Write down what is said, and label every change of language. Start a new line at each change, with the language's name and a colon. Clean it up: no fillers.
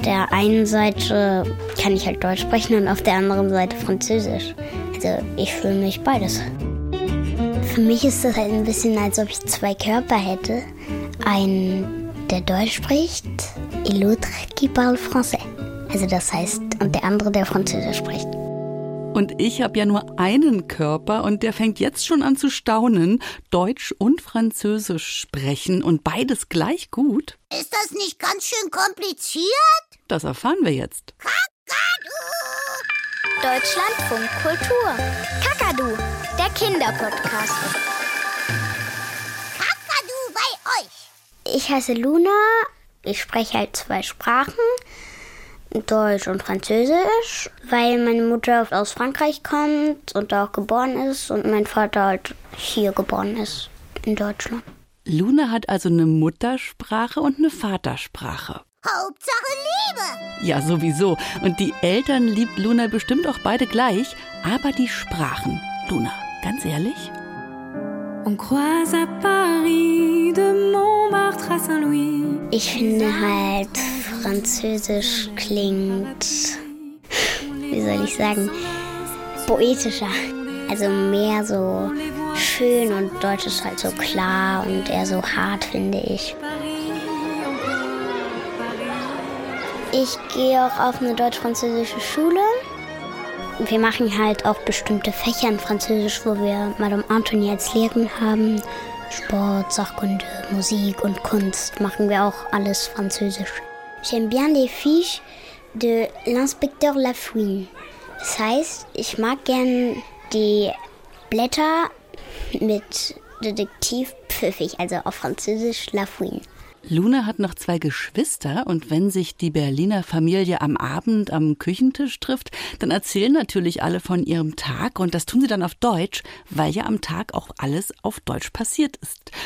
German: einen Seite kann ich halt Deutsch sprechen und auf der anderen Seite Französisch. Also ich fühle mich beides. Für mich ist das halt ein bisschen, als ob ich zwei Körper hätte. Einen, der Deutsch spricht,
French: et l'autre qui parle français.
German: Also das heißt, und der andere, der Französisch spricht. Und ich habe ja nur einen Körper und der fängt jetzt schon an zu staunen. Deutsch und Französisch sprechen und beides gleich gut. Ist das nicht ganz schön kompliziert? Das erfahren wir jetzt. Kakadu! Deutschlandfunk Kultur. Kakadu, der Kinderpodcast. Kakadu bei euch. Ich heiße Luna, ich spreche halt zwei Sprachen. Deutsch und Französisch, weil meine Mutter aus Frankreich kommt und da auch geboren ist und mein Vater halt hier geboren ist, in Deutschland. Luna hat also eine Muttersprache und eine Vatersprache. Hauptsache Liebe! Ja, sowieso. Und die Eltern liebt Luna bestimmt auch beide gleich, aber die Sprachen. Luna, ganz ehrlich?
French: On croise à Paris de Montmartre à Saint-Louis.
German: Ich finde halt, Französisch klingt, wie soll ich sagen, poetischer. Also mehr so schön und Deutsch ist halt so klar und eher so hart, finde ich. Ich gehe auch auf eine deutsch-französische Schule. Wir machen halt auch bestimmte Fächer in Französisch, wo wir Madame Antoni als Lehrerin haben. Sport, Sachkunde, Musik und Kunst machen wir auch alles Französisch.
French: J'aime bien les fiches de l'inspecteur Lafouine.
German: Das heißt, ich mag gern die Blätter mit Detektiv Pfiffig, also auf Französisch Lafouine. Luna hat noch zwei Geschwister und wenn sich die Berliner Familie am Abend am Küchentisch trifft, dann erzählen natürlich alle von ihrem Tag und das tun sie dann auf Deutsch, weil ja am Tag auch alles auf Deutsch passiert ist.